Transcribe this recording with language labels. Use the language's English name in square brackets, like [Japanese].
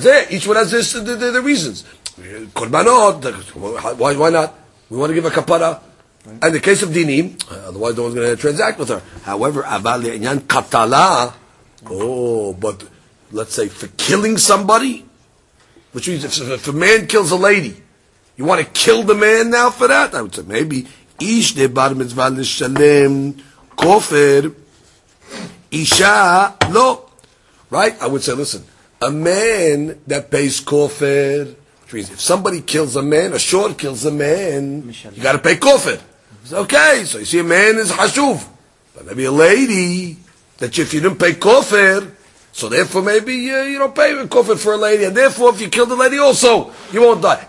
[English] Each one has the reasons. Korbanot, why not? We want to give her kapara. Right. In the case of dinim, otherwise no one's going to transact with her. However, aval le'inyan katala, but let's say for killing somebody, which means if a man kills a lady, you want to kill the man now for that? I would say maybe [Hebrew] איש דבר מצווה לשלם כופר, אישה לא. [English] Right? I would say, listen, a man that pays kofar, which means if somebody kills a man, a shor kills a man, you got to pay kofar. It's okay, so you see a man is hashuv. But maybe a lady, that if you didn't pay kofar, so therefore maybe you don't pay kofar for a lady, and therefore if you kill the lady also, you won't die.